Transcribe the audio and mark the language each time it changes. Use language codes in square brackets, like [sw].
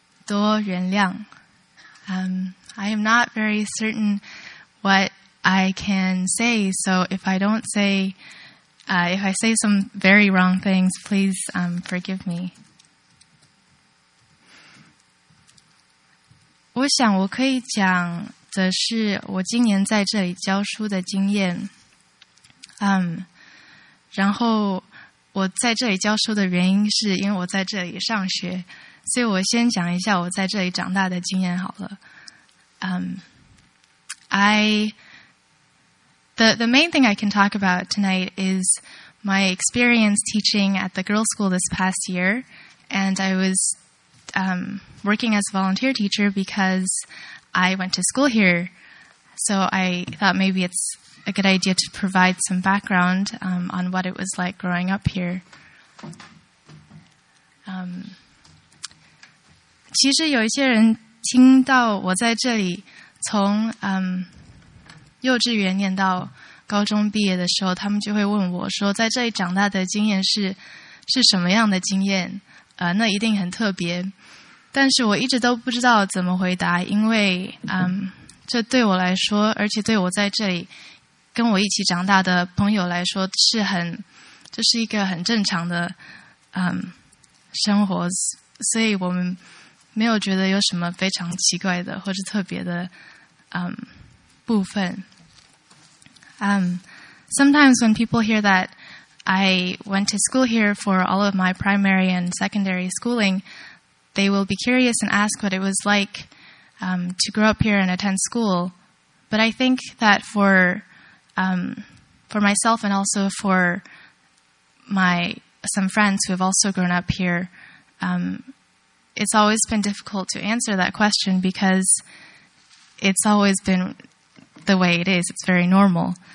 [en] I am not very certain what I can say, so if I don't say, if I say some very wrong things, please forgive me. [zh] 我想我可以讲的是我今年在这里教书的经验。然后我在这里教书的原因是因为我在这里上学，所以我先讲一下我在这里长大的经验好了。 [en] The main thing I can talk about tonight is my experience teaching at the girls' school this past year, and I was working as a volunteer teacher because I went to school here, so I thought maybe it's a good idea to provide some background on what it was like growing up here. [zh] 其实有一些人听到我在这里从幼稚园念到高中毕业的时候，他们就会问我说，在这里长大的经验是什么样的经验？那一定很特别。但是我一直都不知道怎么回答，因为这对我来说，而且对我在这里跟我一起长大的朋友来说，这是一个很正常的生活，所以我们没有觉得有什么非常奇怪的或是特别的部分。 [en] Sometimes when people hear that I went to school here for all of my primary and secondary schooling, they will be curious and ask what it was like to grow up here and attend school. But I think that for myself and also for some friends who have also grown up here, it's always been difficult to answer that question because it's always been the way it is. It's very normal.